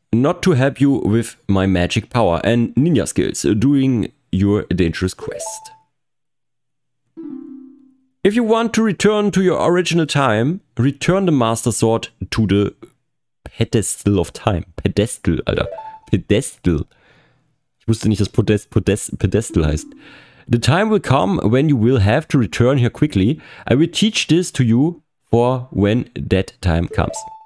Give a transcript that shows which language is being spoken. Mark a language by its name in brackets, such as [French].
[English] Not to help you with my magic power and ninja skills. Doing... your dangerous quest. If you want to return to your original time, return the Master Sword to the Pedestal of Time. [German] Pedestal, Alter. Pedestal. Ich wusste nicht, dass Pedestal heißt. [English] The time will come when you will have to return here quickly. I will teach this to you for when that time comes.